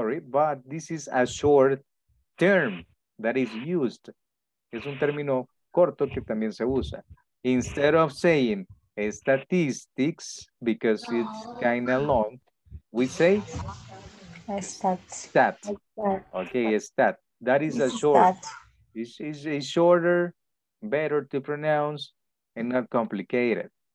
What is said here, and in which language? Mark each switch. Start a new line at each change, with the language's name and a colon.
English: But this is a short term that is used.
Spanish: Es un término corto que también se usa.
English: Instead of saying statistics, because it's kind of long, we say stat. Okay, stat. That is a short. It's shorter, better to pronounce, and not complicated.